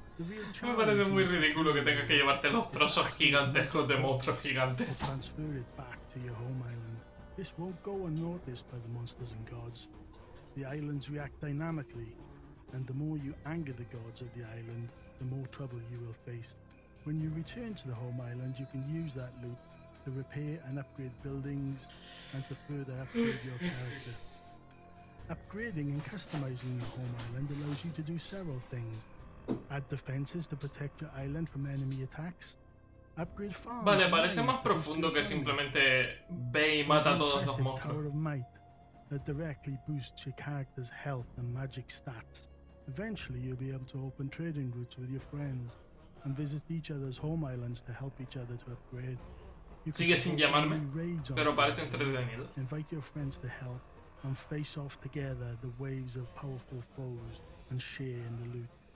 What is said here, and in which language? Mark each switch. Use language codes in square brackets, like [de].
[es] Me parece muy ridículo que tengas que llevarte los trozos gigantescos de monstruos gigantes. [en] Transfer it back to your home island. This won't go unnoticed by the monsters and gods. The islands react dynamically, and the more you anger the gods of the island, the more trouble you will face. When you return to the home island, you can use that loot to repair and upgrade buildings and to further upgrade your character. Upgrading and customizing your home island allows you to do several things. Add defenses to protect your island from enemy attacks. Upgrade farms. [es] Vale, parece más profundo que simplemente ve y mata a todos los monstruos. [en] Tower of Might that directly boosts your character's health and magic stats. Eventually, you'll be able to open trading routes with your friends and visit each other's home islands to help each other to upgrade. [es] You sigue sin llamarme, pero parece entretenido. [en] Invite your friends to help and face off together the waves of powerful foes and share in the loot.